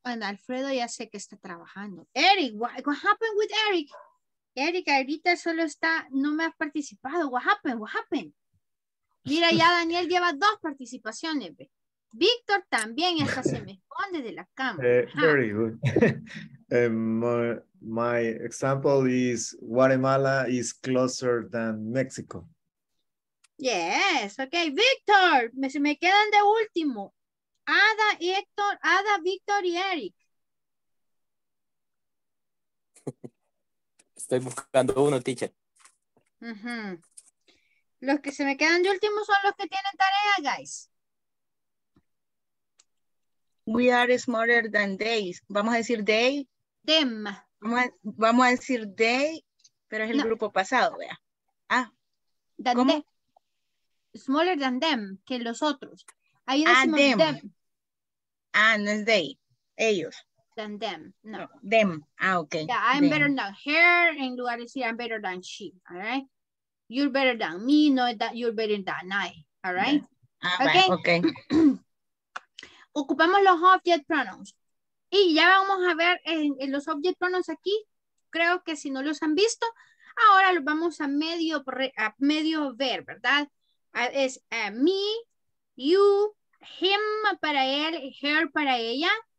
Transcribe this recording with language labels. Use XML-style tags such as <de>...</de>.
<es>And Alfredo ya sé que está trabajando. Eric,</es> <en>what happened with</en> <es>Eric? Erika, ahorita solo está, no me has participado.</es> <en>What happened? What happened?</en> <es>Mira, ya Daniel lleva dos participaciones. Víctor también está, se me esconde de la cámara.</es> <en>Very good. My example is Guatemala is closer than Mexico. Yes, okay.</en> <es>Víctor, se me quedan de último. Ada, Héctor, Ada, Víctor y Eric. Estoy buscando uno, teacher. Uh-huh. Los que se me quedan de último son los que tienen tarea, guys.</es> <en>We are smarter than they.</en> <es>Vamos a decir</es> <en>they. Them.</en> <es>Vamos a decir they, pero es el grupo pasado, vea. Ah.</es> <en>Than ¿cómo? Smaller than them,</en> <es>que los otros. Ahí decimos them. Ah, no es they. Ellos.</es> <en>Than them, no. Them, ah, okay. Yeah, I'm Better than her,</en> <es>en lugar de decir</es> <en>I'm better than she, all right? You're better than me, not that you're better than I, all right? Yeah. Okay. Right. Okay.</en> <es>Ocupamos los object pronouns. Y ya vamos a ver en los object pronouns aquí. Creo que si no los han visto, ahora los vamos a medio ver, ¿verdad? Es me, you, him para él, her para ella.</es>